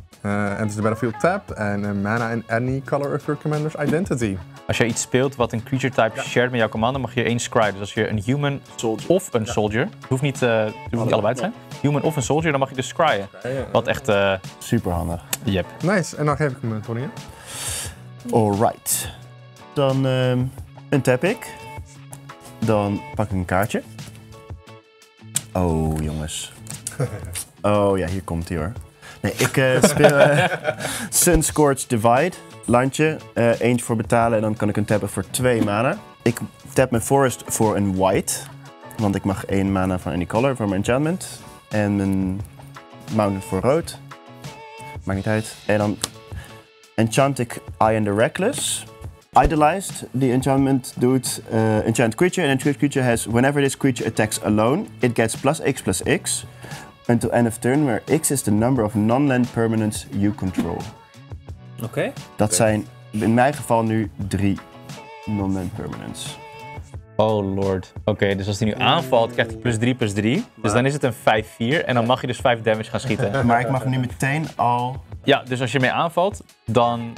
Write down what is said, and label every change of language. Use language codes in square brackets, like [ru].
[en] Enter the battlefield tapped and mana in any color of your commander's identity. [nl] Als jij iets speelt wat een creature type shared met jouw commander, mag je één scryen. Dus als je een human soldier. Of een soldier, hoeft niet, hoeft niet allebei te zijn. Human of een soldier, dan mag je dus scryen. Wat echt super handig. [en] Yep. [nl] Nice, en dan geef ik hem een Tony. [en] Alright. [nl] Dan untap ik. Dan pak ik een kaartje. Oh jongens. Oh ja, hier komt hij hoor. Nee, ik speel Sunscorched Divide, landje, eentje voor betalen en dan kan ik een tappen voor 2 mana. Ik tap mijn forest voor een white, want ik mag 1 mana van [en] any color [nl] voor mijn enchantment. En mijn mountain voor rood, maakt niet uit. En dan enchant ik Eye in the Reckless. [en] Idolized, the enchantment [nl] doet [en] enchant creature, and enchant creature has whenever this creature attacks alone, it gets +x/+x. Until end of turn, where x is the number of non-land permanents you control. [nl] Oké. [en] Okay. [nl] Dat zijn in mijn geval nu 3 non-land permanents. [en] Oh lord. [nl] Oké, okay, dus als hij nu aanvalt, krijgt hij +3/+3. Maar... Dus dan is het een 5-4 en dan mag je dus 5 damage gaan schieten. Maar ik mag nu meteen al... Ja, dus als je mee aanvalt, dan...